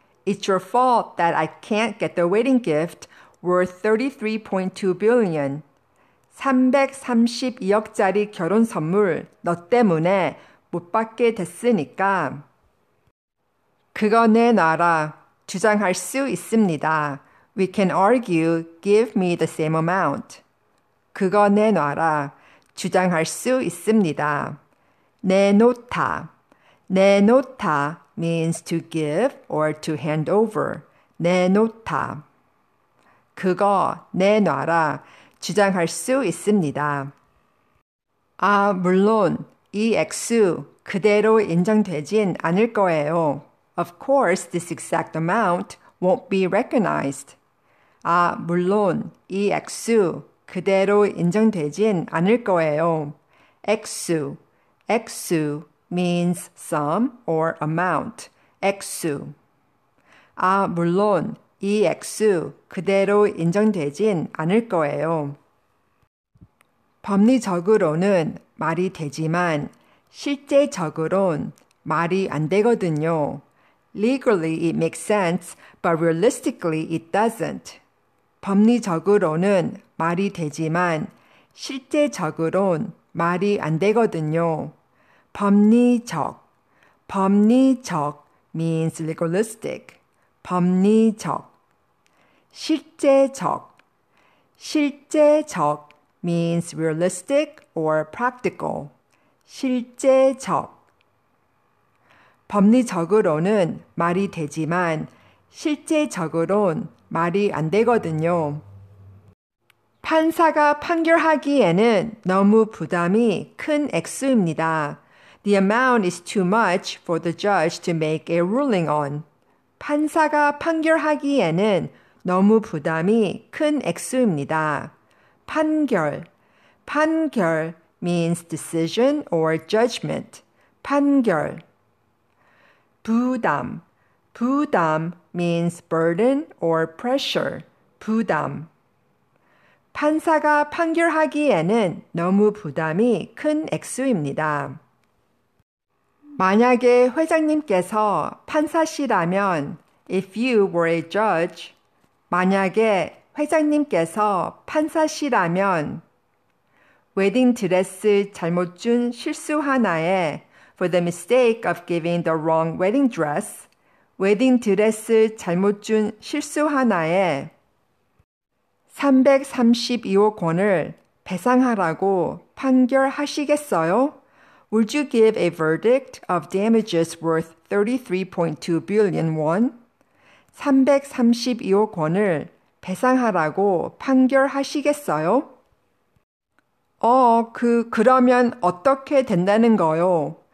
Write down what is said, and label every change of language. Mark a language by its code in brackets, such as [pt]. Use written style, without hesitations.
[en] It's your fault that I can't get the wedding gift worth 33.2 billion. [ko] 332억짜리결혼선물너때문에못받게됐으니까그거내놔라주장할수있습니다. [en] We can argue, give me the same amount. [ko] 그거내놔라주장할수있습니다. [en] 내놓다내놓다 means to give or to hand over. [ko] 내놓다그거내놔라주장할수있습니다. 아물론이액수그대로인정되진않을거예요. [en] Of course, this exact amount won't be recognized. [ko] 아물론이액수그대로인정되진않을거예요. [en] 액수액수 means sum or amount. [ko] 액수아물론이액수그대로인정되진않을거예요. 법리적으로는말이되지만실제적으론말이안되거든요. [en] Legally it makes sense, but realistically it doesn't. [ko] 법리적으로는말이되지만실제적으론 말이 안 되거든요. 법리적. [en] 법리적 means legalistic. [ko] 법리적. 실제적. [en] 실제적 means realistic or practical. [ko] 실제적. 법리적으로는 말이 되지만 실제적으론 말이 안 되거든요. 판사가 판결하기에는 너무 부담이 큰 액수입니다. [en] The amount is too much for the judge to make a ruling on. [ko] 판사가 판결하기에는 너무 부담이 큰 액수입니다. 판결. [en] 판결 means decision or judgment. [ko] 판결. 부담. 부담 [en] means burden or pressure. [ko] 부담. 판사가 판결하기에는 너무 부담이 큰 액수입니다. 만약에 회장님께서 판사시라면, [en] if you were a judge, [ko] 만약에 회장님께서 판사시라면, wedding dress 잘못 준 실수 하나에, [en] for the mistake of giving the wrong wedding dress, [ko] wedding dress 잘못 준 실수 하나에, 332억 권을 배상하라고 판결하시겠어요? [en] Would you give a verdict of damages worth 33.2 billion won? [ko] 332억 권을 배상하라고 판결하시겠어요? 그러면 어떻게 된다는 거요?